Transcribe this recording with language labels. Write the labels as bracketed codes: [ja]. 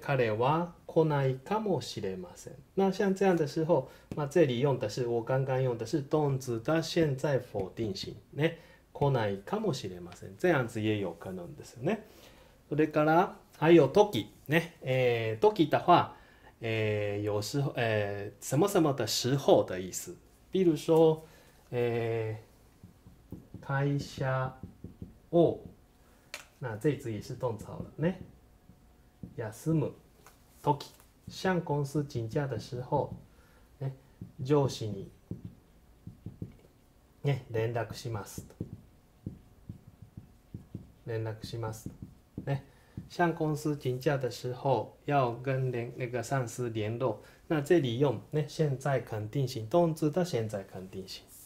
[ja] 彼は来ないかもしれません。 [zh] 那像这样的时候、まあ、这里用的是、我刚刚用的是动词的现在否定形。 [ja] ね。来ないかもしれません。 [zh] 这样子也有可能 [ja] ですよね。それから、はい、時。ね。 [zh] 時的话、有时候、什么什么的时候的意思。比如说、 [ja] 会社を、 [zh] 那这次也是动词好了ね。 [ja] 休む時、 [zh] 向公司请假的时候、 [ja] ね、上司に、ね、連絡します。連絡します。 [zh] ね、向公司请假的时候、要跟那个上司联络。那这里用、ね、现在肯定型、动词的现在肯定型。